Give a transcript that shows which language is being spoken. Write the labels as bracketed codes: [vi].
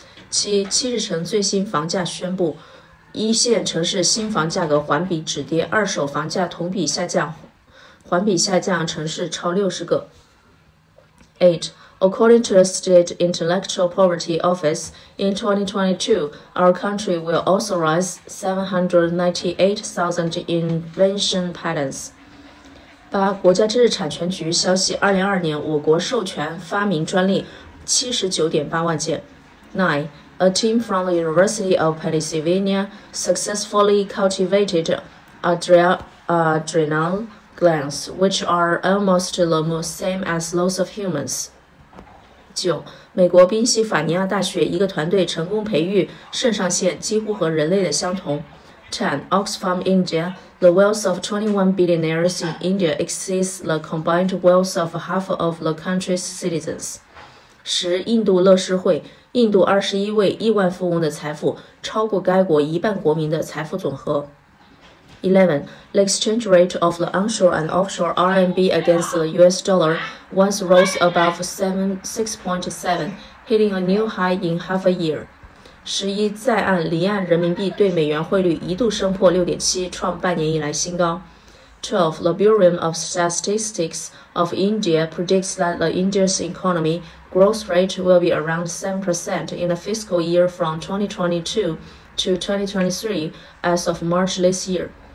[zh] 7. 7日晨最新房价宣布，一线城市新房价格环比止跌，二手房价同比下降，环比下降城市超60个。 8. [en] According to the State Intellectual Property Office, in 2022, our country will authorize 798,000 invention patents. [zh] 八，国家知识产权局消息，2022年我国授权发明专利79.8万件。 9. [en] A team from the University of Pennsylvania successfully cultivated adrenal glands, which are almost the same as those of humans. [zh] 九，美国宾夕法尼亚大学一个团队成功培育肾上腺几乎和人类的相同。 10. [en] Oxfam India, the wealth of 21 billionaires in India exceeds the combined wealth of half of the country's citizens. [zh] 十，印度乐施会，印度21位亿万富翁的财富超过该国一半国民的财富总和。 11. [en] The exchange rate of the onshore and offshore RMB against the US dollar once rose above 6.7, hitting a new high in half a year. 11. [zh] 在岸离岸人民币对美元汇率一度升破 6.7, 创半年以来新高。 12. [en] The Bureau of Statistics of India predicts that the India's economy growth rate will be around 7% in the fiscal year from 2022 to 2023 as of March this year.